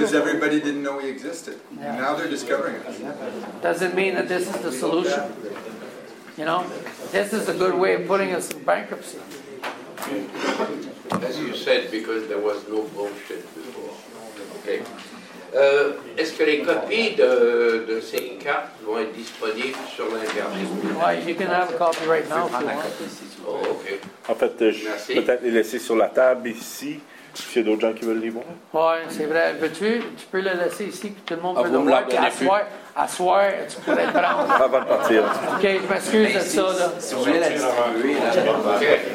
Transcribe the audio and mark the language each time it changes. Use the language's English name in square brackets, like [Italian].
[English] Because everybody didn't know we existed. Yeah. Now they're discovering us. Does it mean that this is the solution? You know? This is a good way of putting us in bankruptcy. As you said, because there was no bullshit before. Okay. [French] Est-ce que les copies de ces cartes vont être disponibles sur l'internet? [English] Why, you can have a copy right now if you want. Okay. [French] En fait, je vais peut-être les laisser sur la table ici, s'il y a d'autres gens qui veulent les voir. Oui, c'est vrai. Tu peux les laisser ici, puis tout le monde peut les voir. Puis à soir, tu pourrais les prendre. Avant de partir. OK, je m'excuse de ça. Là. Si vous voulez la distribuer, là. OK.